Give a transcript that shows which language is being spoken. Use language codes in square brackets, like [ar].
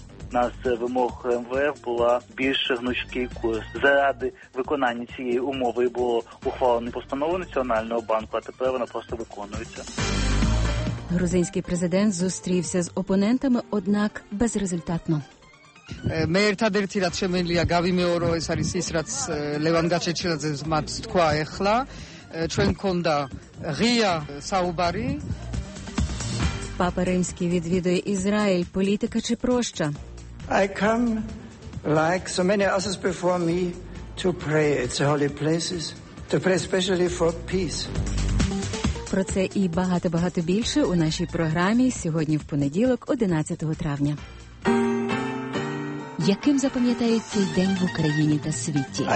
[uk] У нас вимог МВФ була більш гнучкий курс. Заради виконання цієї умови було ухвалено постанову Національного банку, а тепер вона просто виконується. Грузинський президент зустрівся з опонентами, однак безрезультатно. [ka] მე ერთად ერთი რაც შემელია გავიმეორო ეს არის ის რაც ლევან გაჩეჩილაძე მათ თქვა ეხლა ჩვენ გქონდა ღია საუბარი [uk] Папа Римский відвідує Ізраїль. Політика чи проща? [en] I come like so many others before me to pray. It's a holy places. To pray especially for peace. [uk] Про це і багато-багато більше у нашій програмі сьогодні в понеділок, 11 травня. Яким запам'ятається день в Україні та світі?